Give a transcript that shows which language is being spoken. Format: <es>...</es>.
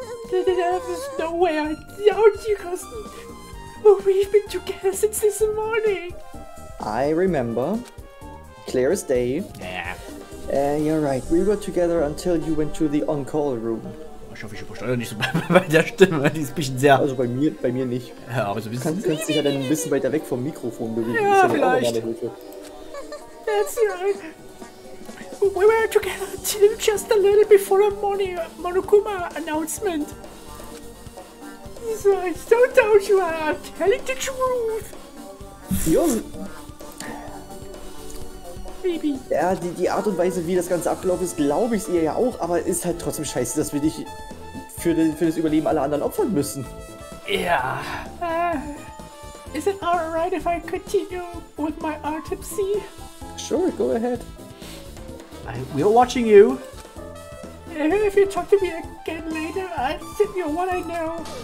<en>There's no way I doubt you, cousin. Well, we've been together since this morning! I remember. Clear as day. Yeah. You're right. We were together until you went to the on-call room.</en> <de>Ich hoffe, ich übersteuere nicht so bei der Stimme. Die ist ein bisschen sehr... Also bei mir nicht. Ja, aber so ein bisschen... Kannst du dich ja dann ein bisschen weiter weg vom Mikrofon bewegen. Ja, vielleicht.</de> <en>That's right. We were together until just a little before a morning Monokuma announcement. I don't doubt you, I'm telling the truth! You're... Baby.</en> <de>Ja, die Art und Weise, wie das Ganze abgelaufen ist, glaube ich ihr ja auch, aber ist halt trotzdem scheiße, dass wir dich für das Überleben aller anderen opfern müssen. Ja.</de> <en>Is it alright if I continue with my autopsy? Sure, go ahead. We're watching you. If you talk to me again later, I'll tell you what I know.</en>